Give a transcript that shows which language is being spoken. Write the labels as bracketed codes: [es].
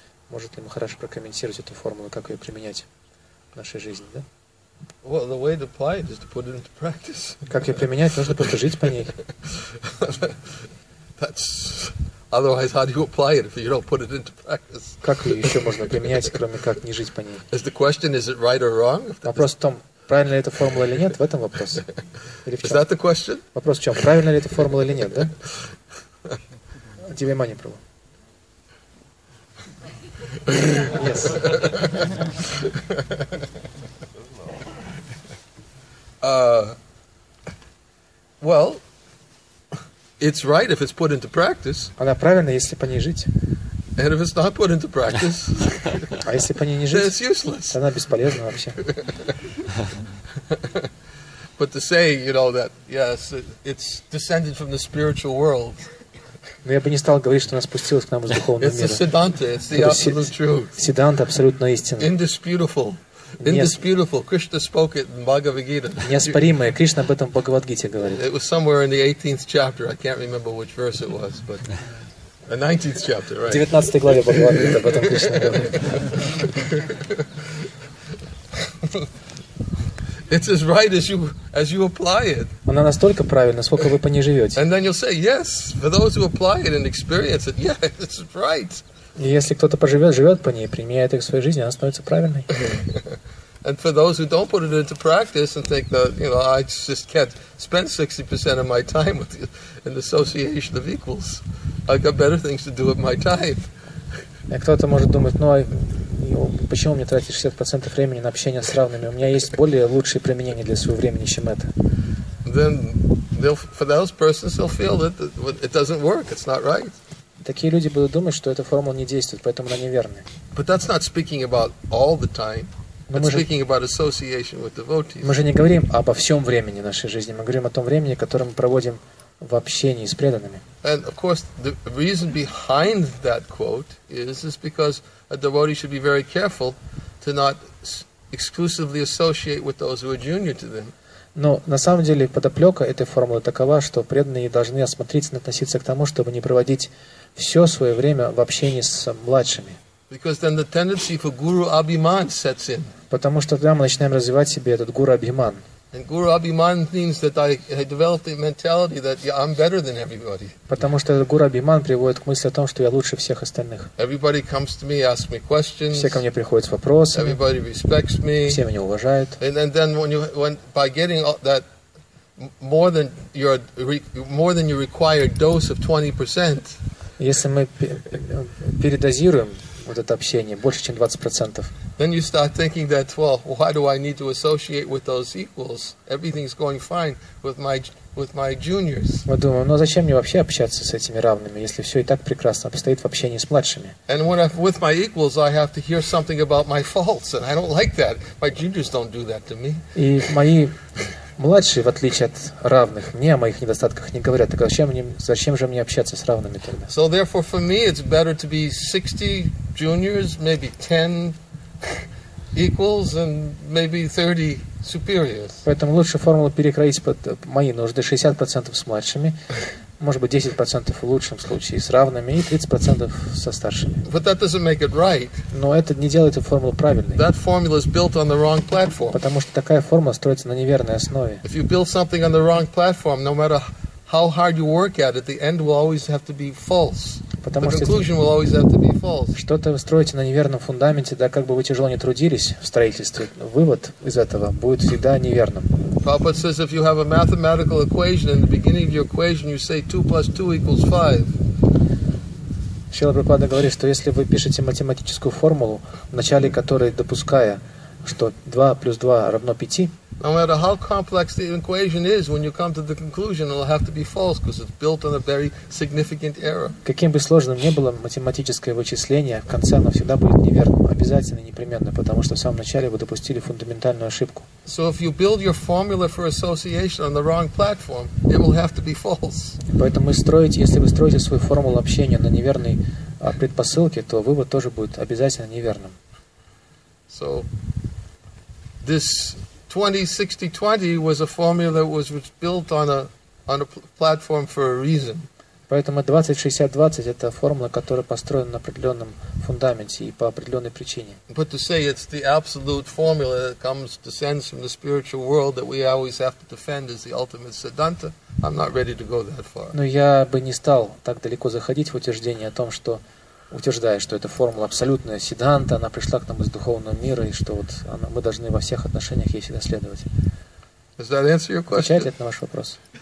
[ru] Может ли Махараш прокомментировать эту формулу, как ее применять в нашей жизни, да? [en] Well, the way to apply it is to put it into practice. [ru] Как ее применять? Нужно просто жить по ней. [en] Otherwise, how do you apply it if you don't put it into practice? [ru] Как ее еще можно применять, кроме как не жить по ней? [en] Is the question is it right or wrong? [ru] Вопрос в том, правильна ли эта формула или нет? В этом вопрос. Или в чем? [en] Is that the question? [ru] Вопрос в чем, правильна ли эта формула или нет, да? Тебе мани пробу. [en] Yes. Well. It's right if it's put into practice. [ru] Она правильна, если по ней жить. [en] And if it's not put into practice, [ru] а если по ней не жить, [en] then it's useless. [ru] Она бесполезна вообще. [en] But to say, you know, that yes, it's descended from the spiritual world. [ru] Но я бы не стал говорить, что она спустилась к нам из духовного мира. [en] It's the Siddhanta, it's the absolute truth. [ru] Siddhanta, абсолютная истина. [en] Indisputable. Indisputable. Krishna spoke it in Bhagavad Gita. [ru] Неоспоримое. Кришна об этом в Бхагавад Гите говорит. [en] It was somewhere in the 18th chapter. I can't remember which verse it was, but the 19th chapter, right? [ru] 19 главе Бхагавад Гиты об этом Кришна говорит. [en] It's as right as you apply it. [ru] Она настолько правильна, сколько вы по ней живете. [en] And then you'll say, yes, for those who apply it and experience it, yeah, it's right. [ru] И если кто-то живет по ней, применяет их в своей жизни, она становится правильной. [en] And for those who don't put it into practice and think that, you know, I just can't spend 60% of my time with you in the association of equals, I've got better things to do with my time. [ru] И кто-то может думать, почему мне тратить 60% времени на общение с равными? У меня есть более лучшие применения для своего времени, чем это. [en] Then for those persons, they'll feel that it doesn't work. It's not right. [ru] Такие люди будут думать, что эта формула не действует, поэтому она неверная. [en] But that's not speaking about all the time. It's speaking about association with devotees. [ru] Мы же не говорим обо всем времени нашей жизни. Мы говорим о том времени, которое мы проводим в общении с преданными. [en] And of course, the reason behind that quote is because a devotee should be very careful to not exclusively associate with those who are junior to them. [ru] Но на самом деле подоплека этой формулы такова, что преданные должны осмотрительно относиться к тому, чтобы не проводить все свое время в общении с младшими. [en] Because then the tendency for guru abhiman sets in. [ru] Потому что тогда мы начинаем развивать себе этот гуру абхиман. [en] And guru abhiman means that I developed a mentality that I'm better than everybody. [ru] Потому что этот гуру абхиман приводит к мысли о том, что я лучше всех остальных. [en] Everybody comes to me, asks me questions. [ru] Все ко мне приходят с вопросами. [en] Everybody respects me. [ru] Все меня уважают. [en] And then by getting that more than your required dose of 20%. [ru] Если мы передозируем вот это общение больше, чем 20%, [en] then you start thinking that, well, why do I need to associate with those equals? Everything's going fine with my juniors. [ru] Мы думаем, зачем мне вообще общаться с этими равными, если все и так прекрасно обстоит в общении с младшими? [en] And when I'm with my equals, I have to hear something about my faults, and I don't like that. My juniors don't do that to me. [ru] И мои младшие, в отличие от равных, мне о моих недостатках не говорят. Так зачем же мне общаться с равными тогда? [en] So therefore, for me, it's better to be 60 juniors, maybe 10 equals, and maybe 30 superiors. [ru] Поэтому лучше формулу перекроить под мои нужды 60% с младшими, может быть 10% в лучшем случае с равными и 30% со старшими. [en] But that doesn't make it right. [ru] Но это не делает эту формулу правильной. [en] That formula is built on the wrong platform. [ru] Потому что такая формула строится на неверной основе. [en] If you build something on the wrong platform, no matter how hard you work at it, the end will always have to be false. [ru] Потому [en] the conclusion will always have to be false. [ru] Что-то вы строите на неверном фундаменте, да, как бы вы тяжело не трудились в строительстве, вывод из этого будет всегда неверным. [en] Prabhupada says, if you have a mathematical equation, in the beginning of your equation you say 2 plus 2 equals 5. [ru] Шрила Прабхупада говорит, что если вы пишете математическую формулу, в начале которой допуская, что 2 плюс 2 равно 5, [en] no matter how complex the equation is, when you come to the conclusion, it'll have to be false because it's built on a very significant error. [ru] Каким бы сложным ни было математическое вычисление, в конце оно всегда будет неверным, обязательно, непременно, потому что в самом начале вы допустили фундаментальную ошибку. [en] So if you build your formula for association on the wrong platform, it will have to be false. [ru] Поэтому если вы строите свою формулу общения на неверной предпосылке, то вывод тоже будет обязательно неверным. [en] So this 20-60-20 was a formula that was built on a platform for a reason. [ru] Поэтому 20-60-20 это формула, которая построена на определенном фундаменте и по определенной причине. [en] But to say it's the absolute formula that descends from the spiritual world that we always have to defend as the ultimate Siddhanta, I'm not ready to go that far. [ru] Но я бы не стал так далеко заходить в утверждение о том, что утверждая, что эта формула абсолютная сиддханта, она пришла к нам из духовного мира, и что вот она, мы должны во всех отношениях ей всегда следовать. [en] Does that answer your question? [ru] Отвечает ли это на ваш вопрос?